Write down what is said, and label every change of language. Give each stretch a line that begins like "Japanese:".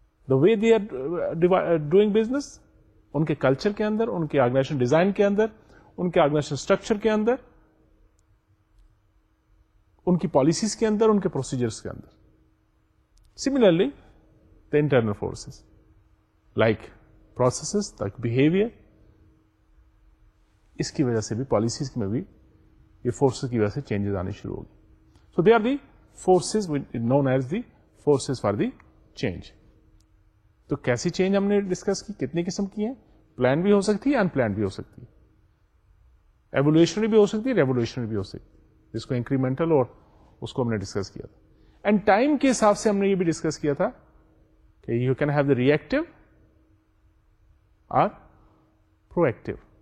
English: the way they are doing business,
Urdu: ان کے culture کے اندر, ان کے آرگنائزیشن ڈیزائن کے اندر, ان کے آرگنائزیشن اسٹرکچر کے اندر, ان کی پالیسیز کے اندر, ان کے پروسیجرس کے اندر. Similarly the internal forces like processes, like behaviour, اس کی وجہ سے بھی پالیسیز میں بھی یہ فورسز کی وجہ سے چینجز آنے شروع ہوگی.
English: So they are the forces known as the forces for the change.
Urdu: تو کیسی چینج ہم نے ڈسکس کی, کتنی قسم کی ہیں, پلان بھی ہو سکتی ہے, ان پلان بھی ہو سکتی ہے, ایولیوشنری بھی ہو سکتی ہے, ریولیوشنری بھی ہو سکتی, جس کو انکریمنٹل اور اس کو ہم نے ڈسکس کیا تھا. اینڈ ٹائم کے حساب سے ہم نے یہ بھی ڈسکس کیا تھا کہ
English: You can have the reactive or proactive.